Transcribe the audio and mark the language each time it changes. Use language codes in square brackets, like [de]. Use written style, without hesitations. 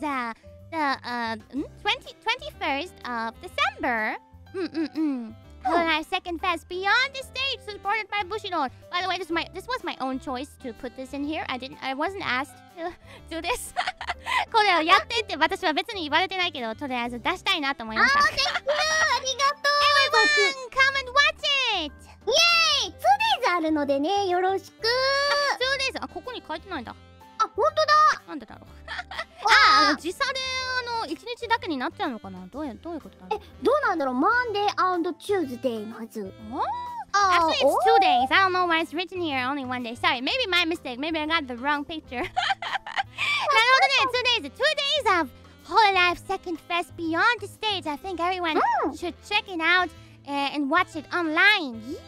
[en] The 21st of December Hololive Second Fest Beyond the Stage supported by Bushido. By the way, this was my own choice to put this in here. I wasn't asked to do this. [ja] これをやってって私は別に言われてないけど、とりあえず出したいなと思いました。 [en] Oh, thank you! [ja] ありがとう [en] Everyone, come and watch it! Yay! 2 days [ja] あるのでね、よろしく [en] 2 days? [ja] あ、ここに書いてないんだ。あ、ほんとだなんでだろう。時差で1日だけになっちゃうのかな。どういうことだろう。え、どうなんだろう。 [en] Monday and Tuesday [ja] まず。 [en] Actually, it's 2 days. I don't know why it's written here only 1 day. Sorry, maybe my mistake. Maybe I got the wrong picture. [ja] なるほどね。 [en] 2 days. 2 days of Hololive Second Fest Beyond the Stage. I think everyone should check it out and watch it online.